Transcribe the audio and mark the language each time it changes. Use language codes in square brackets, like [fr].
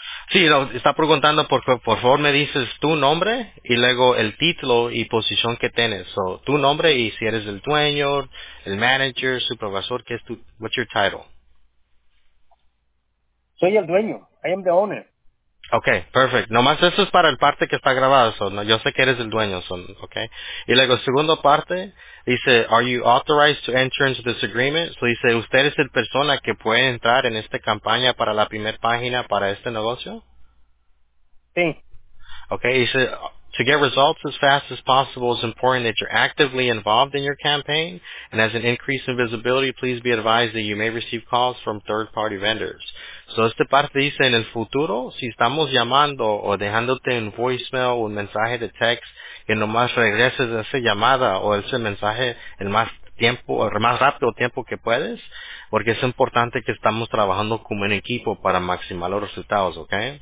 [es] Sí, no, está preguntando, por favor me dices tu nombre y luego el título y posición que tienes. So, tu nombre y si eres el dueño, el manager, supervisor, ¿qué es tu, [en] what's your title? [es] Soy el dueño. [en] I am the owner. Okay, perfect. [es] Nomás eso es para el parte que está grabado, so, no, yo sé que eres el dueño, son, okay. Y luego, segunda parte, dice, [en] are you authorized to enter into this agreement? [es] So dice, ¿usted es el persona que puede entrar en esta campaña para la primera página para este negocio? Sí. [en] Okay, dice, to get results as fast as possible, it's important that you're actively involved in your campaign, and as an increase in visibility, please be advised that you may receive calls from third-party vendors. [es] So, esta parte dice, en el futuro, si estamos llamando o dejándote un voicemail o un mensaje de text, que nomás regreses a esa llamada o ese mensaje el más tiempo, o el más rápido tiempo que puedes, porque es importante que estamos trabajando como un equipo para maximizar los resultados, ¿ok?